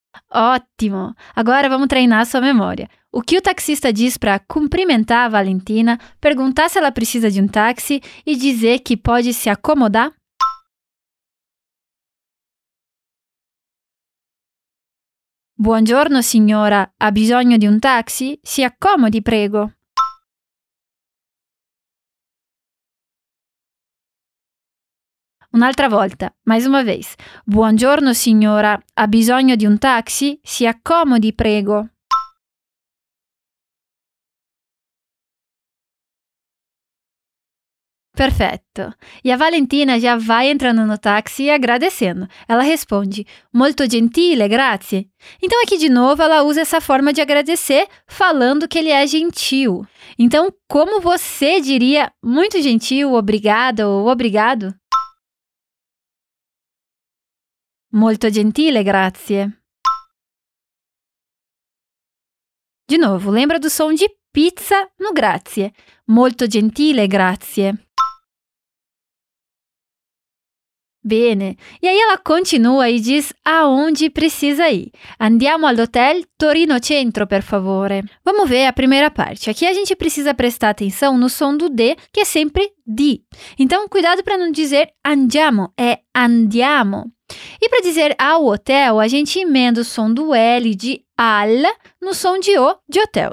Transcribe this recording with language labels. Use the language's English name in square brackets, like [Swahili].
[Portuguese] Ótimo! Agora vamos treinar sua memória. O que o taxista diz para cumprimentar a Valentina, perguntar se ela precisa de um táxi e dizer que pode se acomodar? [Italian] Buongiorno signora, ha bisogno di un taxi? Si accomodi, prego. Un'altra volta, [Portuguese] mais uma vez. [Italian] Buongiorno signora, ha bisogno di un taxi? Si accomodi, prego. Perfetto. [Portuguese] E a Valentina já vai entrando no táxi e agradecendo. Ela responde, [Italian] molto gentile, grazie. [Portuguese] Então aqui de novo ela usa essa forma de agradecer falando que ele é gentil. Então como você diria muito gentil, obrigada ou obrigado? [Italian] Molto gentile, grazie. [Portuguese] De novo, lembra do som de pizza no grazie. [Italian] Molto gentile, grazie. Bene. [Portuguese] E aí ela continua e diz aonde precisa ir. [Italian] Andiamo all'hotel Torino Centro, per favore. [Portuguese] Vamos ver a primeira parte. Aqui a gente precisa prestar atenção no som do D, que é sempre di. Então, cuidado para não dizer andiamo, é andiamo. E para dizer ao hotel, a gente emenda o som do L de al no som de O de hotel.